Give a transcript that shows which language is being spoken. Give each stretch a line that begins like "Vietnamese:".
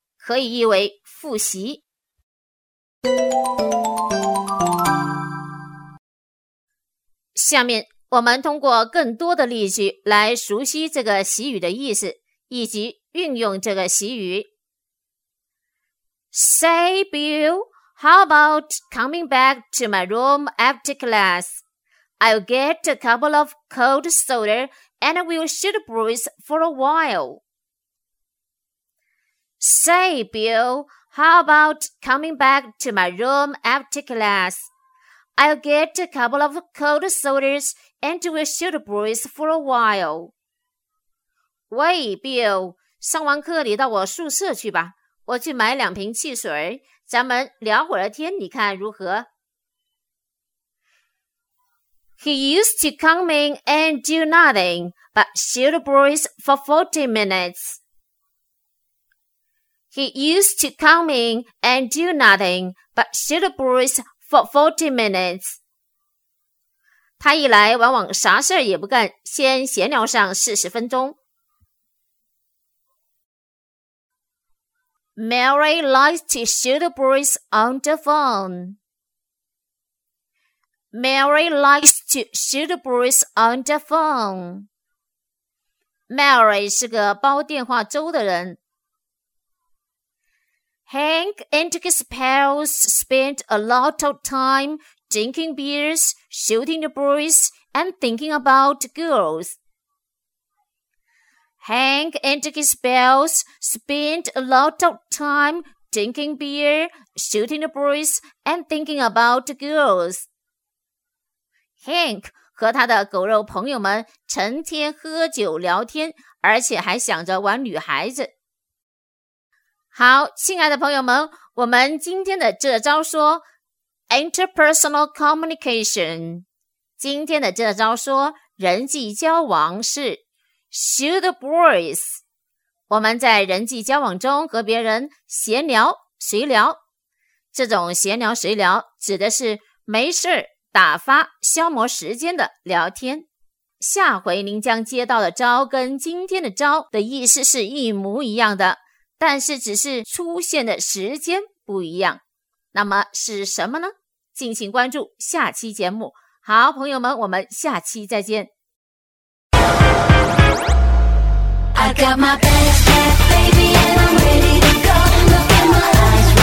Chinese: 可以译为复习。下面我们通过更多的例句来熟悉这个习语的意思以及运用这个习语。
English: Say, Bill, how about coming back to my room after class? I'll get a couple of cold soda and we'll shoot breeze for a while. Say, Bill, how about coming back to my room after class? I'll get a couple of cold sodas and we'll shoot breeze for a while.
Chinese: 喂 ,Bill, 上完课你到我宿舍去吧，我去买两瓶汽水，咱们聊会儿天你看如何。
English: He used to come in and do nothing but shoot breeze for 40 minutes. He used to come in and do nothing but shoot breeze for 40 minutes.
Chinese: 他一来往往啥事儿也不干，先闲聊上40分钟。
English: Mary likes to shoot breeze on the phone. Mary likes to shoot breeze on the phone.
Chinese: Mary 是个煲电话粥的人。
English: Hank and his pals spent a lot of time drinking beers, shooting the breeze, and thinking about girls. Hank and his pals spent a lot of time drinking beer, shooting the breeze, and thinking about girls.
Chinese: Hank 和他的狗肉朋友们成天喝酒聊天，而且还想着玩女孩子。好，亲爱的朋友们，我们今天的这招说
English: interpersonal communication，
Chinese: 今天的这招说人际交往是 shoot the breeze， 我们在人际交往中和别人闲聊随聊，这种闲聊随聊指的是没事打发消磨时间的聊天。下回您将接到的招跟今天的招的意思是一模一样的，但是只是出现的时间不一样，那么是什么呢？敬请关注下期节目。好，朋友们，我们下期再见。
English: I got my best friend, baby, and I'm ready to go. Look at my life.